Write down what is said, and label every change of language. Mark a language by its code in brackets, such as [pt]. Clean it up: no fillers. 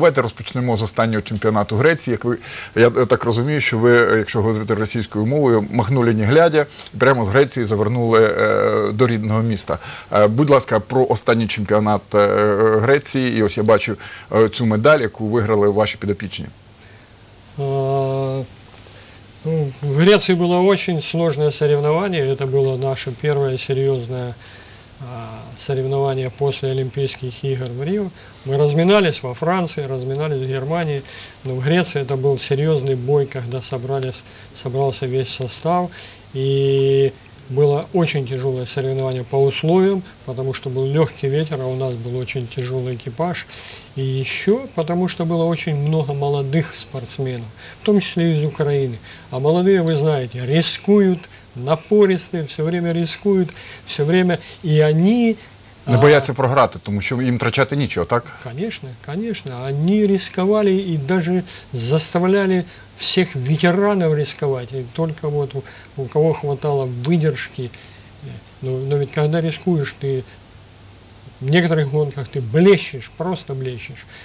[uk] Давайте розпочнемо з останнього чемпіонату Греції. Як ви, я так розумію, що ви, якщо говорити російською мовою, [ru] махнули не глядя, [uk] прямо з Греції завернули до рідного міста. Будь ласка, про останній чемпіонат Греції. І ось я бачу цю медаль, яку виграли ваші підопічні. [ru] В Греции было очень сложное соревнование. Это было наше первое серьезное соревнование после Олимпийских игр в Рио. Мы разминались во Франции, разминались в Германии. Но в Греции это был серьезный бой, когда собрался весь состав. И было очень тяжелое соревнование по условиям, потому что был легкий ветер, а у нас был очень тяжелый экипаж. И еще потому что было очень много молодых спортсменов, в том числе из Украины. А молодые, вы знаете, рискуют, напористые, все время рискуют, все время. И они... [uk] Не бояться програти, тому що їм втрачати нічого, так? [ru] Конечно, конечно. Они рисковали и даже заставляли всех ветеранов рисковать. И только вот у кого хватало выдержки. Но ведь когда рискуешь, ты в некоторых гонках ты блещешь, просто блещешь.